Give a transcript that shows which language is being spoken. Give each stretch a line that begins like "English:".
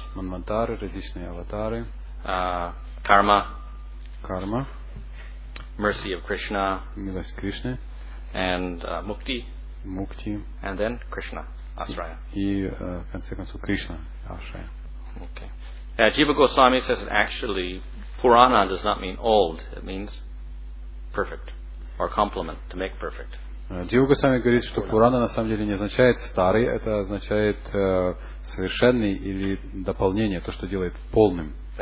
Russian: Manvantara, различные аватары.
English: Karma. Karma. Mercy of Krishna.
Russian: Милость Кришны.
English: And Mukti. Mukti. And then Krishna, Asraya.
Russian: И в конце концов Кришна, Асрая.
English: Okay. Jiva Goswami says that actually Purana does not mean old. It means perfect or complement to make perfect.
Russian: Дива Госвами говорит, что Пурана на самом деле не означает старый, это означает совершенный или дополнение, то, что делает полным.